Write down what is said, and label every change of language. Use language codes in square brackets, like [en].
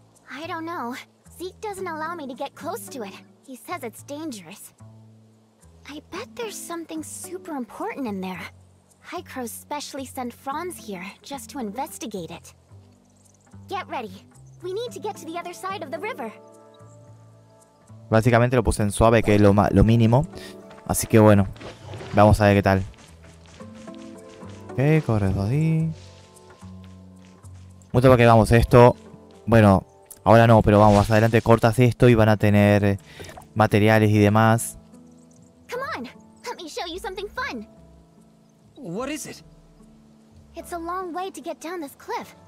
[en] I don't know. Zeke doesn't allow me to get close to it. He says it's dangerous. I bet there's something super important in there. Hycro specially sent Franz here just to investigate it. Get ready. We need to get to the other side of the river. [es] Básicamente lo puse en suave, que es lo mínimo. Así que bueno, vamos a ver qué tal. Ok, corre ahí. Mucho para que vamos esto. Bueno, ahora no, pero vamos, más adelante cortas esto y van a tener materiales y demás. [en] Come on, let me show you something fun. What is it? It's a long way to get down this cliff.